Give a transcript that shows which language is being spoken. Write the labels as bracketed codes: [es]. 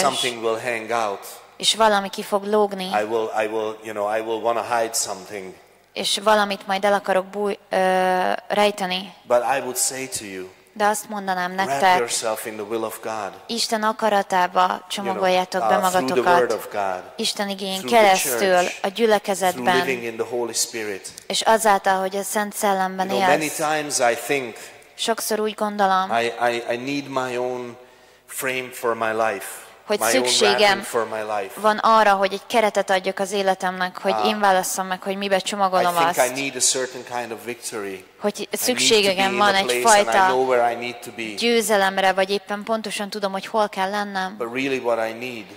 [en] Something will hang out. [hu] És valami ki fog lógni. [en] I will, you know, I will wanna hide something. [hu] és valamit majd el akarok rejteni. [en] But I would say to you, [hu] de azt mondanám nektek, [en] wrap yourself in the will of God. [hu] Isten akaratába csomagoljátok be magatokat, Isten igényén keresztül, [en] the church, [hu] a gyülekezetben, [en] through living in the Holy Spirit. [hu] És azáltal, hogy a Szent Szellemben élsz. [en] Many times I think, [hu] sokszor úgy gondolom, [en] I need my own frame for my life. [hu] Hogy szükségem van arra, hogy egy keretet adjak az életemnek, hogy én válasszam meg, hogy mibe csomagolom azt. [en] Kind of [hu] hogy szükségem van egy fajta győzelemre, vagy éppen pontosan tudom, hogy hol kell lennem. [en] Really